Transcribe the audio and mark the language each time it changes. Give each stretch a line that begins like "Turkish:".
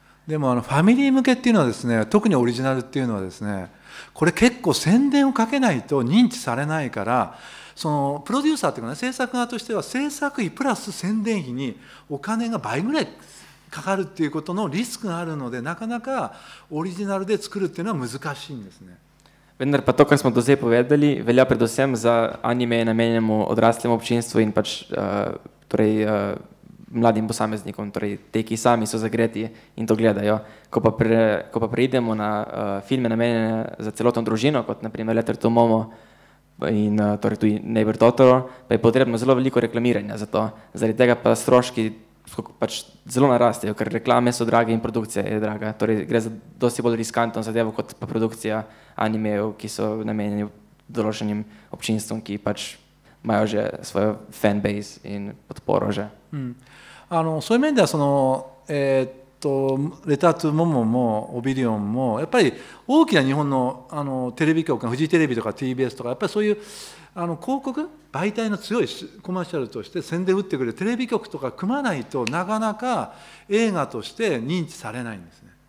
Japanese: でもファミリー向けっていうのはですね、特にオリジナルっていうのはですね、これ結構宣伝をかけないと認知されないから、そのプロデューサーというか、ね、制作側としては制作費プラス宣伝費にお金が倍ぐらいかかるっていうことのリスクがあるので、なかなかオリジナルで作るっていうのは難しいんですね。
Slovenian: Vendar pa to, kar smo do zdaj povedali, velja predvsem za anime namenjenemu odraslemu občinstvu in pač torej mladim posameznikom, torej te, ki sami so zagreti in to gledajo. Ko pa preidemo na filme namenjene za celotno družino, kot naprimer Letter to Momo in torej tudi Neighbor Totoro, pa je potrebno zelo veliko reklamiranja za to. Zaradi tega pa stroški pač zelo narastejo, ker reklame so drage in produkcija je draga. Torej gre za dosti bolj riskantno zadevo kot pa produkcija animejev, ki so namenjeni določenim občinstvom, ki pač imajo že svojo fanbase in podporo že.
Japanese: うん、そういう面ではレター・トゥ・モモもオビリオンもやっぱり大きな日本 のテレビ局フジテレビとか TBS とかやっぱりそういう広告媒体の強いコマーシャルとして宣伝を打ってくれるテレビ局とか組まないとなかなか映画として認知されないんですね。